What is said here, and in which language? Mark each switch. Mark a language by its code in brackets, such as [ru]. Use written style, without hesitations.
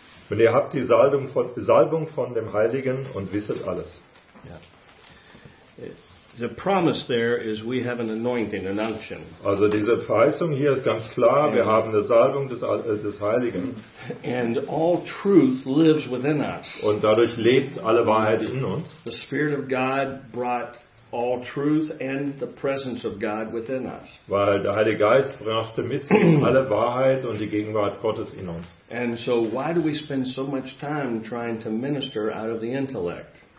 [de] Und ihr habt die Salbung von dem Heiligen und wisset alles. [en] Yeah. The promise there is we have an anointing, an unction. [de] Also diese Verheißung hier ist ganz klar, wir haben eine Salbung des Heiligen. [en] And all truth lives within us. [de] Und dadurch lebt alle Wahrheit in uns. [en] The Spirit of God brought all truth and the presence of God within us. [de] Weil der Heilige Geist brachte mit sich alle Wahrheit und die Gegenwart Gottes in uns. [en] And so why do we spend so much time trying to minister out of the intellect?